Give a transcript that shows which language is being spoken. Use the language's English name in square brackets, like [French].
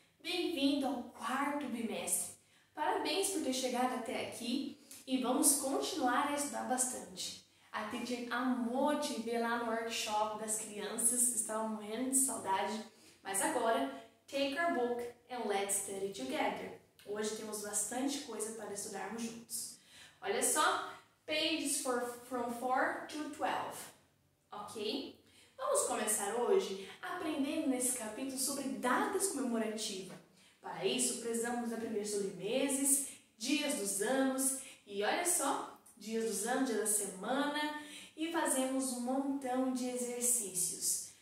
[Portuguese] Bem-vindo ao quarto bimestre. Parabéns por ter chegado até aqui e vamos continuar a estudar bastante. A teacher amou te ver lá no workshop das crianças, estava morrendo de saudade. Mas agora, [English] take our book and let's study together. [Portuguese] Hoje temos bastante coisa para estudarmos juntos. Olha só, [English] pages from 4 to 12. [Portuguese] Ok? Vamos começar hoje aprendendo nesse capítulo sobre datas comemorativas. Para isso, precisamos aprender sobre meses, dias dos anos e olha só, dias dos anos, dia da semana e fazemos um montão de exercícios.